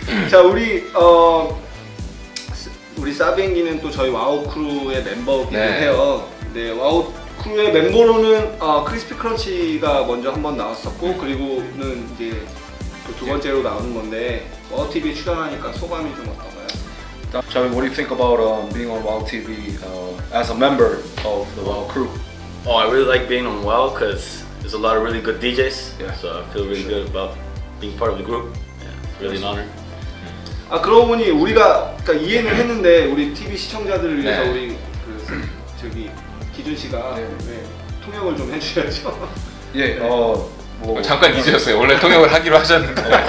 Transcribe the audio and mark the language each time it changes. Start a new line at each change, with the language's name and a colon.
Korean: 자, 우리 사비앤기는 또 저희 와우 크루의 멤버이기도 네. 해요. 네, 와우. 크루의 멤버로는 크리스피 크런치가 먼저 한번 나왔었고 그리고는 이제 그 두 번째로 나오는 건데 와우 TV 출연하니까 소감이 좀 어떤가요?
English: So, what do you think about being on Wow TV as a member of the Wow crew? Oh, I really like being on Wow because there's a lot of really good DJs. Yeah. So I feel really good about being part of the group. Yeah, really an honor.
Korean: 아 그러고 보니 우리가 그러니까 이해는 했는데 우리 TV 시청자들을 위해서 네. 우리 그 저기 기준 씨가 네. 네, 통역을 좀 해주셔야죠. 예, 뭐 잠깐 잊으셨어요. 원래 통역을 하기로 하셨는데.